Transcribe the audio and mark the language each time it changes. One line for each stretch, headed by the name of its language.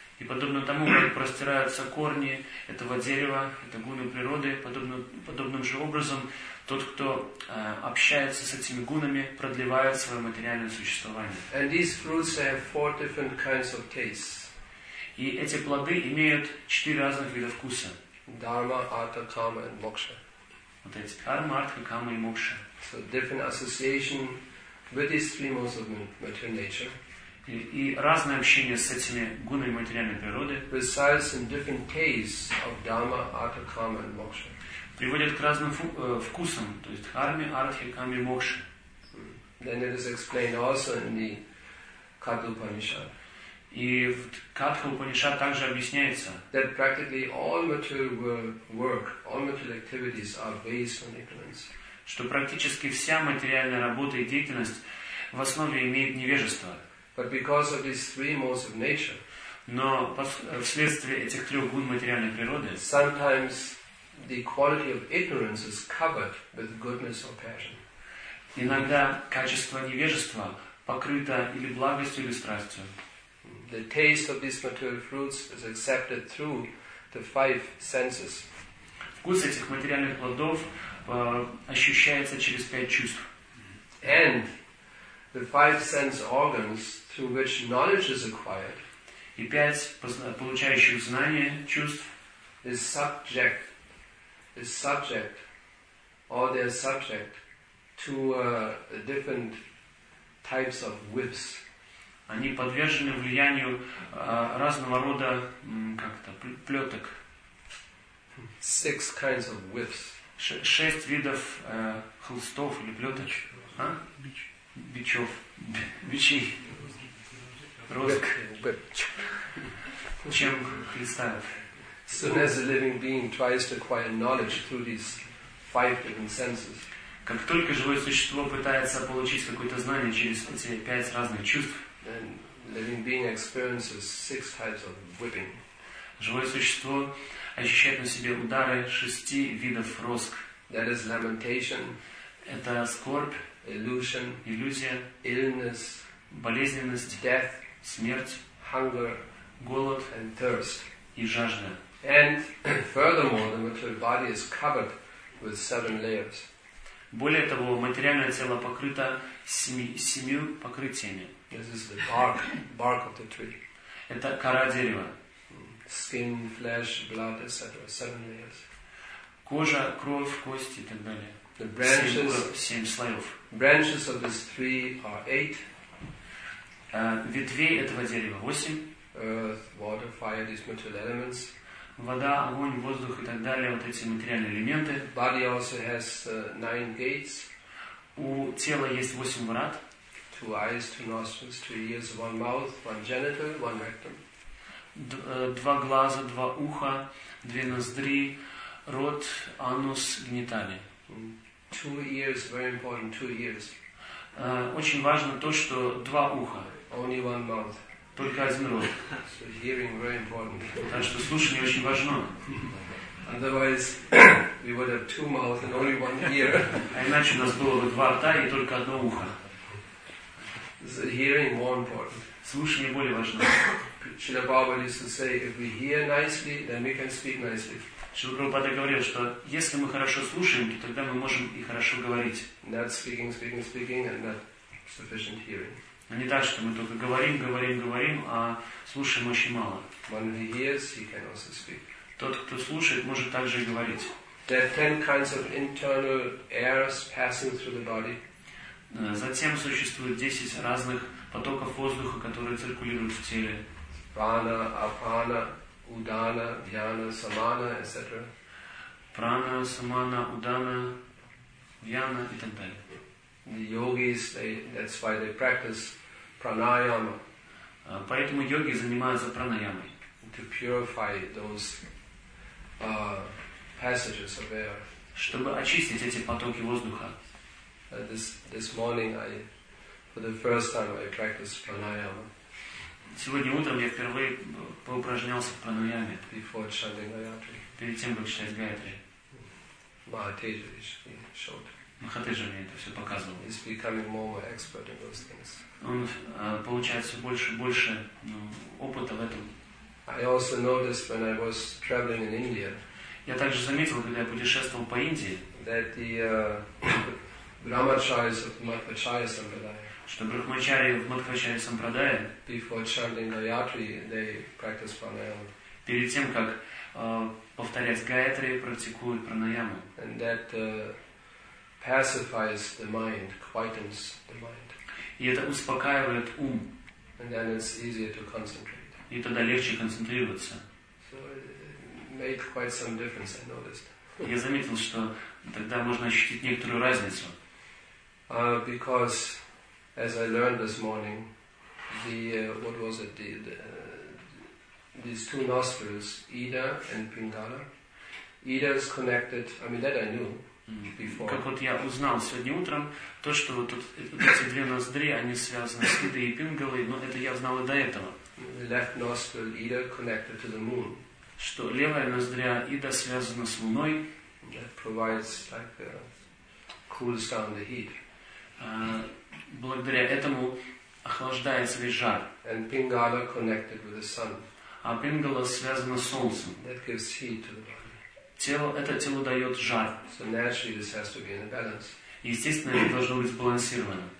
Russian: И подобно тому, как простираются корни этого дерева, это гуны природы, подобным же образом, тот, кто общается с этими гунами, продлевает свое материальное существование.
English: And these fruits have four different kinds of tastes.
Russian: И эти плоды имеют четыре разных вида вкуса.
English: Dharma, Artha, Kama and Moksha.
Russian: Вот эти карма, артха, кама и мокша.
English: So different association with these three modes of material nature.
Russian: И разное общение с этими гунами материальной природы
English: results in different tastes of dharma, artha, kama and moksha.
Russian: Приводит к разным вкусам, то есть карме, артхе, каме и мокше.
English: Then it is explained also in the Katha Upanishad.
Russian: И в Катха Упанишад также объясняется,
English: that practically all material work, all material activities are based on ignorance.
Russian: Что практически вся материальная работа и деятельность в основе имеет невежество.
English: But because of these three modes of nature,
Russian: но вследствие этих трех гун материальной природы,
English: sometimes the quality of ignorance is covered with goodness or passion.
Russian: Иногда качество невежества покрыто или благостью, или страстью.
English: The taste of these material fruits is accepted through the five senses.
Russian: Вкус этих материальных плодов ощущается через пять чувств.
English: And the five sense organs through which knowledge is acquired.
Russian: И пять получающих знания чувств.
English: Is subject, or they are subject to different types of whips.
Russian: Они подвержены влиянию разного рода как-то плеток.
English: Six kinds of whips.
Russian: Шесть видов хлыстов или плеток. А? Бичев. Бичей. Розг. Чем хлистают.
English: So as a living being tries to acquire knowledge through these five different senses.
Russian: Как только живое существо пытается получить какое-то знание через эти пять разных чувств,
English: then living being experiences six types of whipping.
Russian: Живое существо ощущает на себе удары шести видов розг.
English: That is lamentation.
Russian: Это скорбь.
English: Illusion.
Russian: Иллюзия.
English: Illness.
Russian: Болезненность.
English: Death.
Russian: Смерть.
English: Hunger.
Russian: Голод.
English: And thirst.
Russian: И жажда.
English: And furthermore, the material body is covered with seven layers.
Russian: Более того, материальное тело покрыто семью покрытиями.
English: This is the bark of the tree.
Russian: Это кора дерева.
English: Skin, flesh, blood, etc. Seven layers.
Russian: Кожа, кровь, кости и так далее.
English: The branches.
Russian: Семь слоев.
English: Branches of this tree are eight.
Russian: Ветвей этого дерева восемь.
English: Earth, water, fire, these material elements.
Russian: Вода, огонь, воздух и так далее, вот эти материальные элементы.
English: Body also has nine gates.
Russian: У тела есть восемь врат.
English: Two eyes, two nostrils, two ears, one mouth, one genital, one rectum.
Russian: Два глаза, два уха, две ноздри, рот, анус, гениталии.
English: Two ears, very important, two ears.
Russian: Очень важно то, что два уха.
English: Only one mouth.
Russian: Только один рот.
English: So hearing very important.
Russian: Так что слушание очень важно.
English: Otherwise, we would have two mouths and only one ear.
Russian: А иначе у нас было бы два рта и только одно ухо.
English: So hearing more important.
Russian: Слушание более важно.
English: Шрила Прабхупада used to say, if we hear nicely, then we can speak nicely.
Russian: Шрила Прабхупада говорил, что если мы хорошо слушаем, то тогда мы можем и хорошо говорить.
English: Not speaking, and not sufficient hearing.
Russian: Но не так, что мы только говорим, а слушаем очень мало.
English: When he hears, he can also speak.
Russian: Тот, кто слушает, может также и говорить.
English: There are 10 kinds of internal airs passing through the body.
Russian: Затем существует 10 разных потоков воздуха, которые циркулируют в теле.
English: Prana, apana, udana, dhyana, samana, etc.
Russian: Prana, samana, udana, dhyana и так далее.
English: The yogis, that's why they practice pranayama.
Russian: Поэтому йоги занимаются пранаямой.
English: To purify those passages of air.
Russian: Чтобы очистить эти потоки воздуха.
English: This morning, for the first time, I practiced pranayama.
Russian: Сегодня утром я впервые поупражнялся в пранаяме.
English: Before chanting Gayatri.
Russian: Перед тем, как читать Гаятри.
English: Mahateja showed.
Russian: Махатеджа мне это все показывал.
English: He's becoming more expert in those things.
Russian: Он получает все больше и больше опыта в этом.
English: I also noticed when I was traveling in India.
Russian: Я также заметил, когда я путешествовал по Индии,
English: that the brahmacharis of Madhvacharya Sampradaya.
Russian: Что брахмачари в Мадхвачарья Сампрадая.
English: Before chanting Gayatri, they practice pranayama.
Russian: Перед тем, как повторять Гаятри, практикуют пранаяму.
English: And that pacifies the mind, quietens the mind.
Russian: И это успокаивает ум.
English: And then it's easier to concentrate.
Russian: И тогда легче концентрироваться.
English: So it made quite some difference, I noticed.
Russian: Я заметил, что тогда можно ощутить некоторую разницу.
English: Because as I learned this morning, these two nostrils, Ida and Pingala. Ida is connected. I mean that I knew. Before.
Russian: Как вот я узнал сегодня утром, то, что вот тут эти две ноздри, они связаны с Идой и Пингалой, но это я знал и до этого.
English: The left nostril Ida connected to the moon.
Russian: Что левая ноздря Ида связана с Луной.
English: That provides like cools down the heat.
Russian: благодаря этому охлаждает свой жар.
English: And Pingala connected with the sun.
Russian: А Пингала связана с солнцем.
English: That gives heat to the body.
Russian: Тело, это тело дает жар.
English: So naturally this has to be in a balance.
Russian: Естественно, это должно быть сбалансировано.